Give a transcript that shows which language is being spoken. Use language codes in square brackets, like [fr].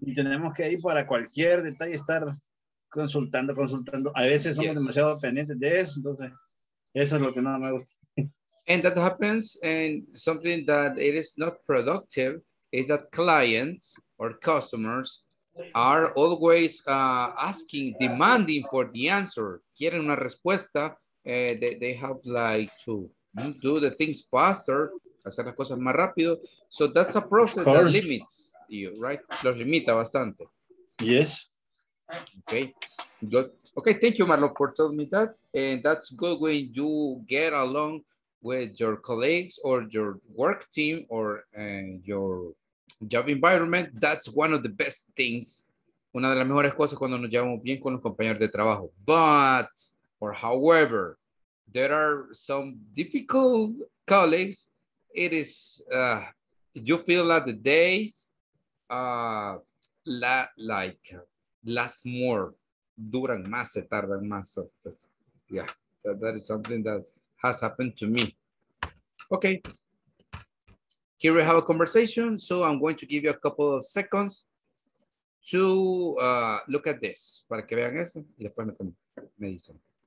[es] y tenemos que ir para cualquier detalle estar consultando. A veces somos, yes, demasiado dependientes de eso. Entonces, eso es lo que no me gusta. [en] And that happens, and something that it is not productive is that clients or customers are always asking, demanding for the answer. [es] Quieren una respuesta. [en] They have like to do the things faster, [es] hacer las cosas más rápido. [en] So that's a process that limits you, right? [es] Los limita bastante. [en] Yes. Okay. Good. Okay. Thank you, Marlo, for telling me that. And that's good when you get along with your colleagues or your work team or your job environment. That's one of the best things. [es] Una de las mejores cosas cuando nos llevamos bien con los compañeros de trabajo. [en] But, or however, there are some difficult colleagues. It is, you feel that the days last more, [es] duran más, se tardan más. [en] So that's, yeah, that is something that has happened to me. Okay, here we have a conversation. So I'm going to give you a couple of seconds to look at this. [es] Para que vean eso y después me dicen.